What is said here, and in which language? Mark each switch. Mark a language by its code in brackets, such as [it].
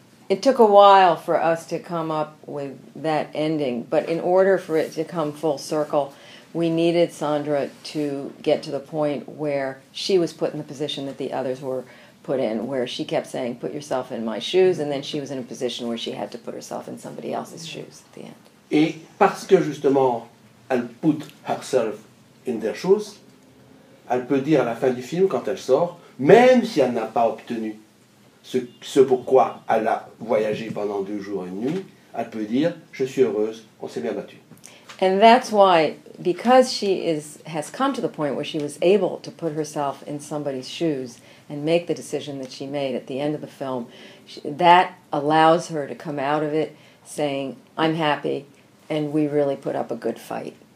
[en] It took a while for us to come up with that ending, but in order for it to come full circle, we needed Sandra to get to the point where she was put in the position that the others were put in, where she kept saying, put yourself in my shoes, and then she was in a position where she had to put herself in somebody else's shoes at the end. [fr] Et parce que justement, elle [en] put herself in their shoes, [fr] elle peut dire à la fin du film, quand elle sort, même si elle n'a pas obtenu ce pourquoi elle a voyagé pendant deux jours et une nuit, elle peut dire, je suis heureuse, on s'est bien battu. [en] And that's why, because she has come to the point where she was able to put herself in somebody's shoes and make the decision that she made at the end of the film, that allows her to come out of it saying, I'm happy, and we really put up a good fight.